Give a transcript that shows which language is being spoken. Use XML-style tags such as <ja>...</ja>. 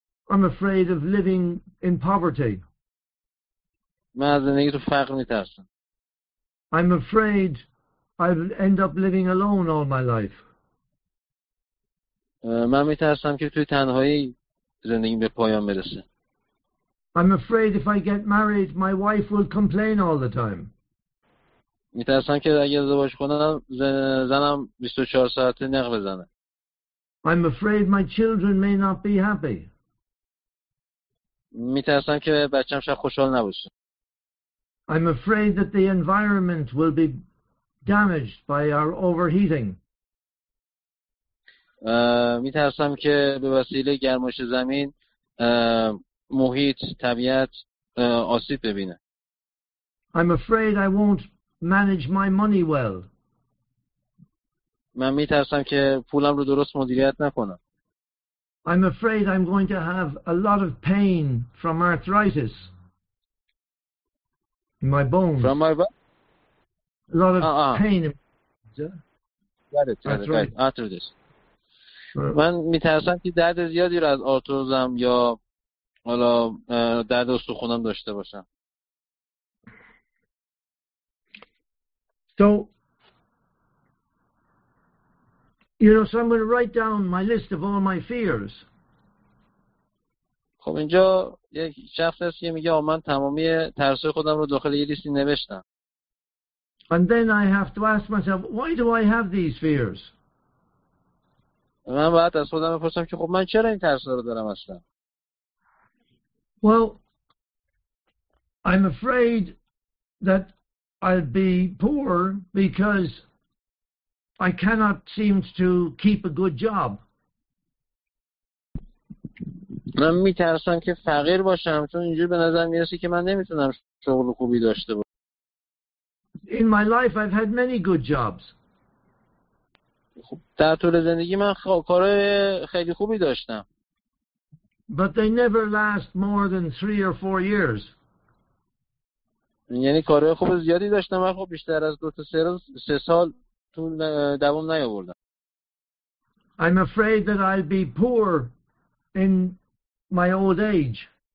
<en>I'm afraid of living in poverty.</en> <fa>من از زندگی تو فقر میترسم.</fa> <en>I'm afraid I will end up living alone all my life.</en> <fa>من میترسم که توی تنهایی زندگی به پایان برسه.</fa> <en>I'm afraid if I get married, my wife will complain all the time.</en> <fa>می‌ترسم که اگه ازدواج کنم زنم 24 ساعته نق بزنه.</fa> <en>I'm afraid my children may not be happy.</en> <fa>می‌ترسم که بچه‌م شاید خوشحال نباشه.</fa> <en>I'm afraid that the environment will be damaged by our overheating.</en> <fa>می‌ترسم که به وسیله گرمایش زمین محیط طبیعت آسیب ببینه.</fa> <en>I'm afraid I won't manage my money well.</en> <fa>من می‌ترسم که پولم رو درست مدیریت نکنم.</fa> <en>I'm afraid I'm going to have a lot of pain from arthritis in my bones. From my what? A lot of pain. Arthritis.</en> <fa>من می‌ترسم که درد زیادی رو از آرتروزم یا حالا درد استخونم داشته باشم.</fa> <en>So, you know, so I'm going to write down my list of all my fears.</en> <fa>خب اینجا یک شخص هست که میگه من تمامی ترس خودم رو داخل یه لیستی نوشتم.</fa> <en>And then I have to ask myself, why do I have these fears?</en> <fa>من باید از خودم بپرسم که خب من چرا این ترس رو دارم اصلا؟</fa> <en>Well, I'm afraid that I'll be poor because I cannot seem to keep a good job.</en> <fa>من می‌ترسم که فقیر باشم چون اینجور به نظر میرسه که من نمیتونم شغل خوبی داشته باشم.</fa> <en>In my life I've had many good jobs.</en> <fa>خب در طول زندگی من کارهای خیلی خوبی داشتم.</fa> <en>But they never last more than 3 or 4 years.</en> <fa>یعنی کارهای خوب زیادی داشتم ولی خب بیشتر از 2 تا 3 سال طول دوام نیاوردم.</fa> <en>I'm afraid that I'll be poor in my old age.</en>